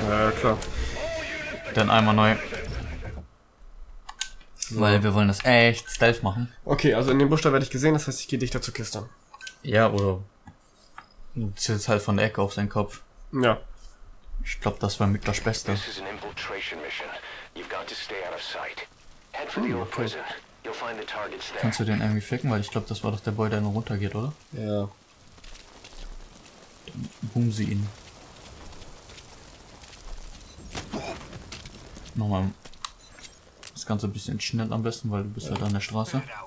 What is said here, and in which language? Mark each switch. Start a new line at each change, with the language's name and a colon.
German: Ja, klar. Dann einmal neu. So. Weil wir wollen das echt stealth machen. Okay, also in dem Busch da werde ich gesehen, das heißt, ich gehe dichter zur Kiste. Ja, oder du zielst halt von der Ecke auf seinen Kopf. Ja. Ich glaube, das war mit das Beste.
English: This is an infiltration mission. You've got to stay out of sight. Head for the old prison. You'll find the targets there.
German: Kannst du den irgendwie ficken? Weil ich glaube, das war doch der Boy, der nur runtergeht, oder? Ja. Dann boom sie ihn. Nochmal. Das Ganze ein bisschen schnell am besten, weil du bist ja halt an der Straße.